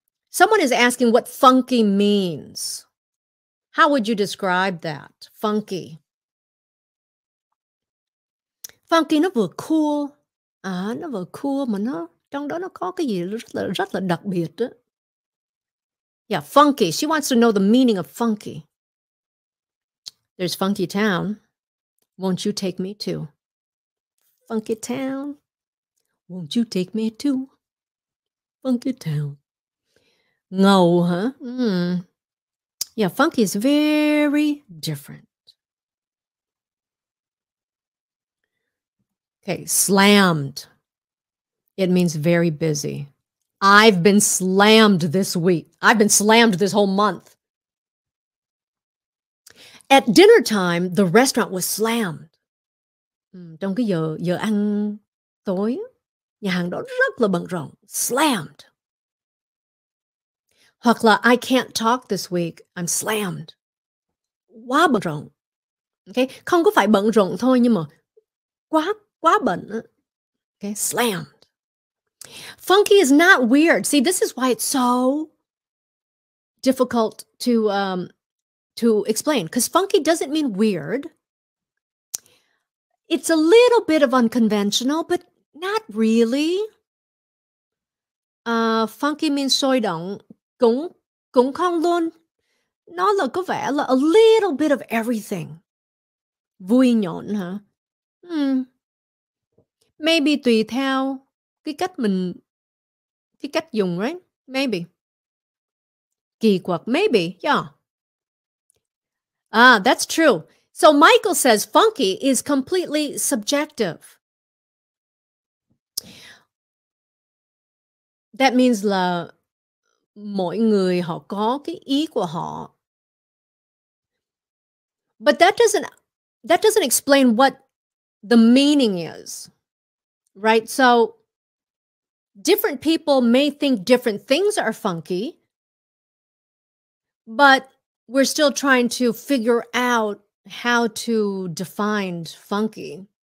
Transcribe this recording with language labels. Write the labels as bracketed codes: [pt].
[en] Someone is asking what funky means. How would you describe that? Funky. [vi] Funky nó vừa cool. À, nó vừa cool mà nó, trong đó nó có cái gì rất là đặc biệt đó. [en] Yeah, funky. She wants to know the meaning of funky. There's funky town. Won't you take me too? Funky town. Won't you take me too? Funky town. [vi] Ngầu, huh? [en] Yeah, funky is very different. Okay, slammed. It means very busy. I've been slammed this week. I've been slammed this whole month. At dinner time, the restaurant was slammed. [vi] Trong cái giờ ăn tối, nhà hàng đó rất là bận rộn. [en] Slammed. Hoặc là, I can't talk this week. I'm slammed. [vi] Quá bận rộn. [en] Okay? [vi] Không có phải bận rộn thôi, nhưng mà quá bận. [en] Okay? Slammed. Funky is not weird. See, this is why it's so difficult to explain. Because funky doesn't mean weird. It's a little bit of unconventional, but not really. Funky means [vi] sôi động. Cũng không luôn. Nó là có vẻ là [en] a little bit of everything. [vi] Vui nhộn, hả? Maybe tùy theo cái cách dùng, right? [en] Maybe. [vi] Kỳ quặc, [en] maybe, yeah. Ah, that's true. So Michael says funky is completely subjective. That means là [vi] mỗi người họ có cái ý của họ. [en] But that doesn't explain what the meaning is, right? So different people may think different things are funky, but we're still trying to figure out how to define funky.